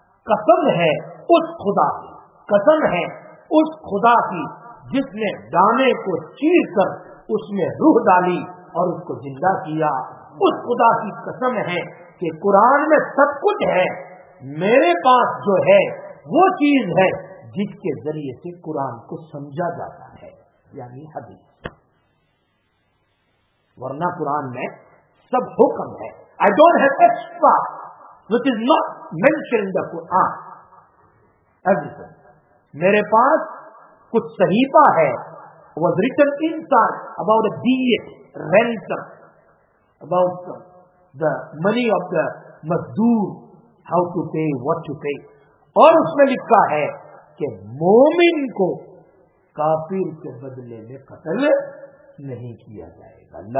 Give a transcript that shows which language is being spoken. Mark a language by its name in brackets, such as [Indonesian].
[Urdu] قسم ہے اس خدا کی, قسم ہے اس خدا کی جس نے دانے کو چیر کر اس میں روح ڈالی اور اس کو زندہ کیا, اس خدا کی قسم ہے کہ قرآن میں سب کچھ ہے, میرے پاس جو ہے وہ چیز ہے جس کے ذریعے سے قرآن کو سمجھا جاتا ہے, یعنی حدیث, ورنہ قرآن میں سب حکم ہے. [English] I don't have extra which is not mentioned in the Quran. Everything. [Urdu] میرے پاس کچھ صحیفہ ہے, [English] was written inside about a deed, ransom, about the money of the مزدور, how to pay, [Urdu] what to pay, اور اس میں لکھا ہے کہ مومن کو کافر کے بدلے میں قتل نہیں کیا جائے گا.